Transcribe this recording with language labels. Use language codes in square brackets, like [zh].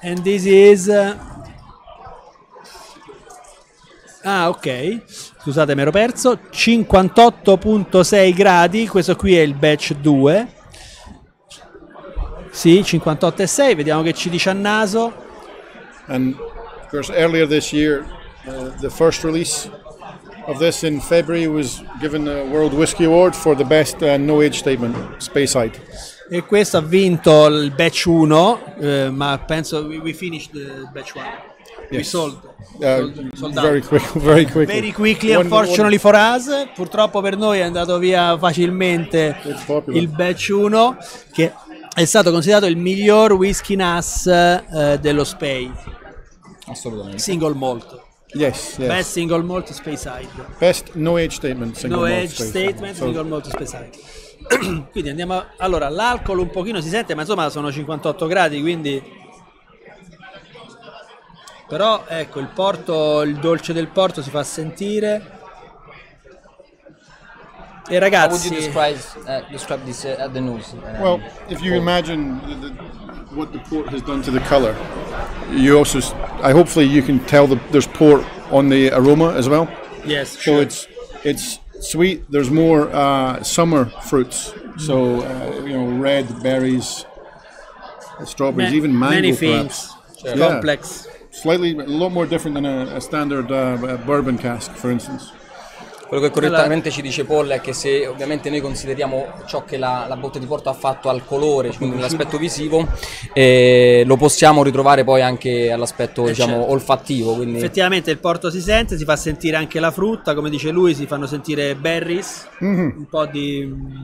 [en] And this is. [it] Ah, ok. Scusate, mi ero perso. 58.6 gradi. Questo qui è il batch 2. Sì, 58.6. Vediamo che ci dice a naso. [en] And of course, earlier this year, the first release of this in February was given a World Whiskey Award for the best no age statement, Speyside. [it] E questo ha vinto il batch 1, ma penso [en] we finished the batch 1. Yes. We sold out. Very quickly. Unfortunately for us, [it] purtroppo per noi è andato via facilmente il batch 1, che è stato considerato il miglior whisky NAS dello Spey. Assolutamente. [en] Single malt. Yes. Best single malt Speyside. Best no age statement single no malt. No age statement single malt Speyside. [it] Quindi andiamo. Allora, l'alcol un pochino si sente, ma insomma sono 58 gradi, quindi. Però ecco il porto, il dolce del porto si fa sentire. E ragazzi, [en] how would you describe this at the nose? Well, if you imagine what the port has done to the color, you also hopefully you can tell there's port on the aroma as well. Yes, so sure. It's sweet. There's more summer fruits, so you know, red berries, strawberries, even mango. Many things. Sure. Yeah. Complex. Slightly, a lot more different than a standard bourbon cask, for instance. [it] Quello che correttamente ci dice Paul è che se ovviamente noi consideriamo ciò che la botte di porto ha fatto al colore, quindi l'aspetto visivo, lo possiamo ritrovare poi anche all'aspetto, diciamo, certo, olfattivo. Quindi effettivamente il porto si sente, si fa sentire anche la frutta, come dice lui, si fanno sentire berries, un po' di